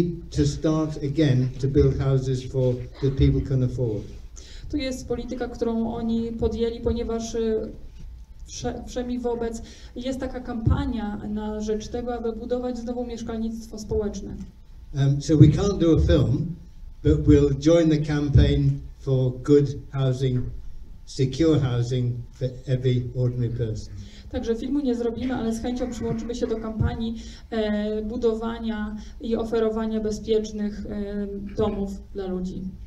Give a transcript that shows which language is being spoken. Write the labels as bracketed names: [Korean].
[English] to start again to build houses for the people can afford. [Polish] To jest polityka, którą oni podjęli, ponieważ wszemi wobec jest taka kampania na rzecz tego, aby budować znowu mieszkalnictwo społeczne. [English] So we can't do a film, but we'll join the campaign for good housing, secure housing for every ordinary person. [Polish] Także filmu nie zrobimy, ale z chęcią przyłączymy się do kampanii budowania i oferowania bezpiecznych domów dla ludzi.